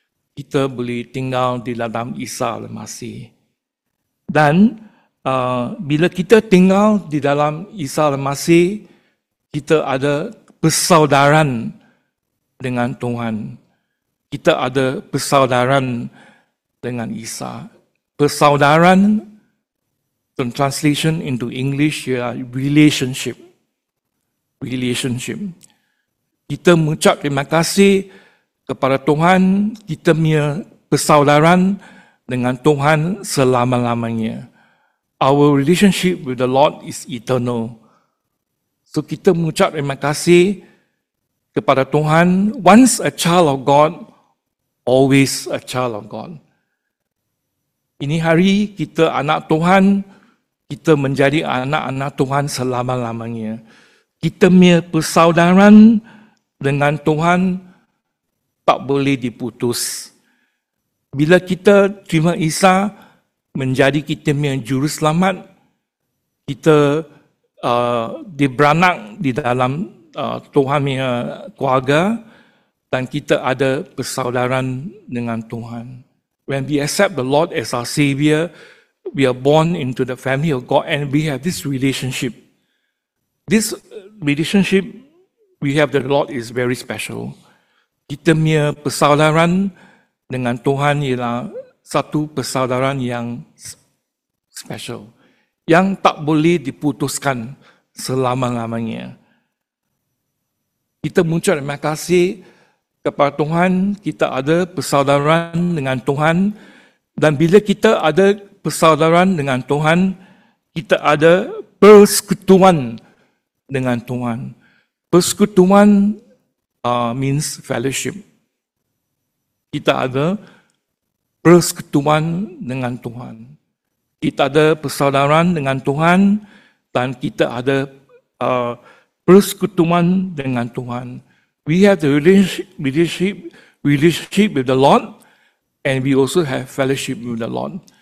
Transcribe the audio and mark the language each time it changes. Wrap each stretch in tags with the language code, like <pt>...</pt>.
<ms>Kita boleh tinggal di dalam Isa Al-Masih. Dan bila kita tinggal di dalam Isa Al-Masih, kita ada persaudaraan dengan Tuhan. Kita ada persaudaraan dengan Isa.</ms> <en>Persaudaraan, the translation into English, yeah, relationship. Relationship.</en> <ms>Kita mengucap terima kasih kepada Tuhan, kita punya persaudaraan dengan Tuhan selama-lamanya.</ms> <en>Our relationship with the Lord is eternal. So</en> <ms>kita mengucap terima kasih kepada Tuhan.</ms> <en>Once a child of God, always a child of God.</en> <ms>Ini hari kita anak Tuhan, kita menjadi anak-anak Tuhan selama-lamanya. Kita punya persaudaraan dengan Tuhan tak boleh diputus. Bila kita terima Isa menjadi kita punya Juruselamat, kita diberanak di dalam Tuhan punya keluarga dan kita ada persaudaraan dengan Tuhan.</ms> <en>When we accept the Lord as our Savior, we are born into the family of God and we have this relationship. This relationship we have with the Lord is very special.</en> <ms>Kita punya persaudaraan dengan Tuhan ialah satu persaudaraan yang special, yang tak boleh diputuskan selama-lamanya. Kita mengucap terima kasih kepada Tuhan, kita ada persaudaraan dengan Tuhan, dan bila kita ada persaudaraan dengan Tuhan, kita ada persekutuan dengan Tuhan.</ms> <en>Persekutuan means fellowship.</en> <ms>Kita ada persekutuan dengan Tuhan. Kita ada persaudaraan dengan Tuhan dan kita ada persekutuan dengan Tuhan.</ms> <en>We have the relationship with the Lord and we also have fellowship with the Lord.</en>